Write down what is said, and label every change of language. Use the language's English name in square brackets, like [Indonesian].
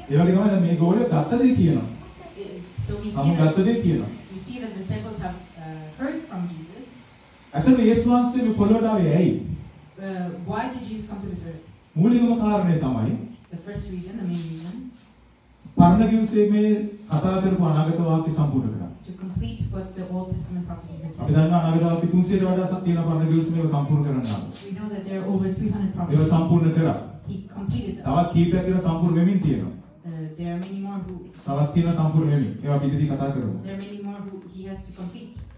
[Sinhala] ඒ වගේ තමයි දැන් මේ ගෝලෙන් ගත්ත දේ කියනවා. [English] So we see. [Sinhala] අපි ගත්ත දේ කියනවා. [English] We see that the disciples have heard from Jesus. [Sinhala] අතන යේසුස් වහන්සේ මේ පොළොවට ආවේ ඇයි? [English] Why did Jesus come to this earth? [Sinhala] මූලිකම කාරණේ තමයි. [English] The first reason, the main reason. [Sinhala] පරණ ගිවිසේ මේ කතා කරපු අනාගත වාක්‍ය සම්පූර්ණ කරා. [English] To complete what the Old Testament prophecies have said. [Sinhala] අපි දන්නවා අනාගත වාක්‍ය 300 ට වඩා සත් තියෙන පරණ ගිවිසේ මේ සම්පූර්ණ කරන්න. [English] We know that there are over 300 prophecies. [Sinhala] ඒක සම්පූර්ණ කරා. [English] He completed them. [Sinhala] තවත් කීපයක් තියෙන සම්පූර්ණ වෙමින් තියෙනවා. [English] There are many more who. [Sinhala] තවත් තියෙන සම්පූර්ණ වෙමින්. ඒවා අපි ඉදිරියට කතා කරමු. [English] There are many more who he has to complete.